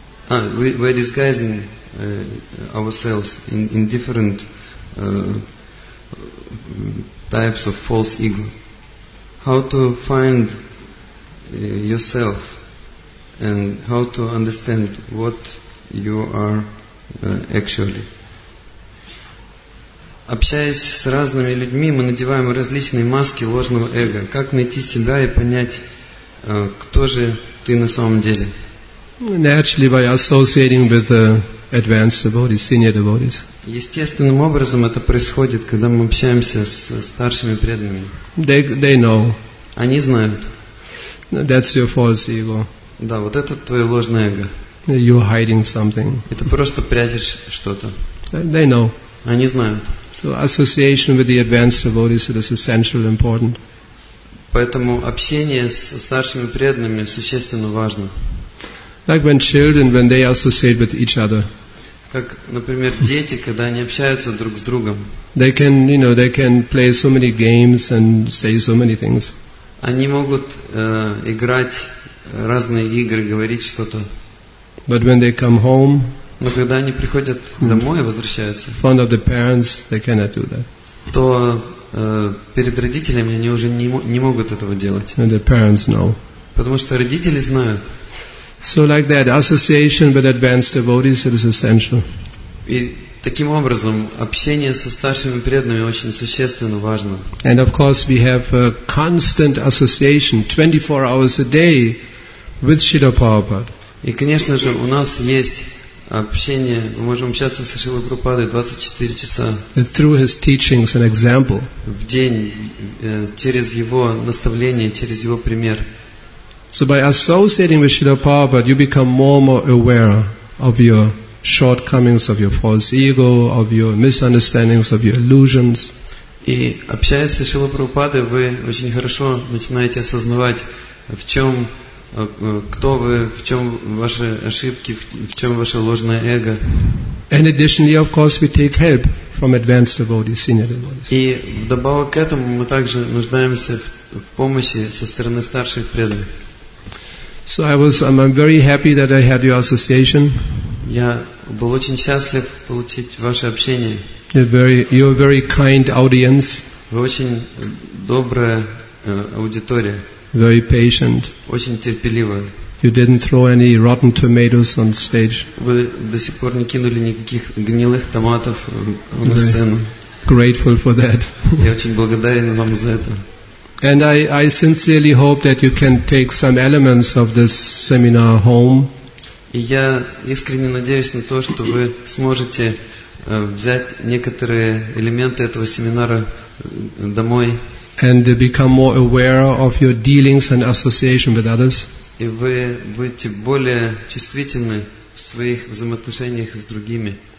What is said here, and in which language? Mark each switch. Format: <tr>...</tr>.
<en>We're disguising ourselves in different types of false ego. How to find yourself and how to understand what you are actually.</en> <ru>Общаясь с разными людьми, мы надеваем различные маски ложного эго. Как найти себя и понять, кто же ты на самом деле?</ru> <en>Naturally by associating with the advanced devotees, senior devotees.</en> <ru>Естественным образом это происходит, когда мы общаемся с старшими преданными.</ru> <en>They know.</en> <ru>Они знают.</ru> <en>That's your false ego.</en> <ru>Да, вот это твое ложное эго.</ru> <en>You're hiding something.</en> <ru>Это просто прячешь что-то.</ru> <en>They know.</en> <ru>Они знают.</ru> <en>So association with the advanced devotees is essential, important.</en> <ru>Поэтому общение с старшими преданными существенно важно.</ru> <en>Like when children, when they associate with each other.</en> <ru>Как, например, дети, когда они общаются друг с другом.</ru> <en>They can, you know, they can play so many games and say so many things.</en> <ru>Они могут играть разные игры, говорить что-то.</ru> <en>But when they come home,</en> <ru>но когда они приходят домой и возвращаются,</ru> <en>fond of the parents, they cannot do that.</en> <ru>То перед родителями они уже не могут этого делать.</ru> <en>And the parents know.</en> <ru>Потому что родители знают.</ru> <en>So like that, association with advanced devotees, it is essential.</en> <ru>И таким образом, общение со старшими преданными очень существенно важно.</ru> <en>And of course, we have a constant association 24 hours a day with Śrīla Prabhupāda.</en> <ru>И, конечно же, у нас есть общение, мы можем общаться со Шрилой Прабхупадой 24 часа.</ru> <en>Through his teachings and example.</en> <ru>В день, через его наставление, через его пример.</ru> <en>So by associating with Śrīla Prabhupāda, you become more and more aware of your shortcomings, of your false ego, of your misunderstandings, of your illusions.</en> <ru>И общаясь со Шрилой Прабхупадой, вы очень хорошо начинаете осознавать, в чем кто вы, в чем ваши ошибки, в чем ваше ложное эго.</ru> <en>And additionally, of course, we take help from advanced devotees, senior devotees.</en> <ru>И вдобавок к этому мы также нуждаемся в помощи со стороны старших преданных.</ru> <en>So I'm very happy that I had your association.</en> <ru>Я был очень счастлив получить ваше общение.</ru> <en>You're a very kind audience.</en> <ru>Вы очень добрая аудитория.</ru> <en>Very patient.</en> <ru>Очень терпеливая.</ru> <en>You didn't throw any rotten tomatoes on stage.</en> <ru>Вы до сих пор не кинули никаких гнилых томатов на сцену.</ru> <en>Grateful for that.</en> <ru>Я очень благодарен вам за это.</ru> <en>And I sincerely hope that you can take some elements of this seminar home.</en> <ru>И я искренне надеюсь на то, что вы сможете взять некоторые элементы этого семинара домой.</ru> <en>And become more aware of your dealings and association with others.</en> <ru>И вы будете более чувствительны в своих взаимоотношениях с другими.</ru>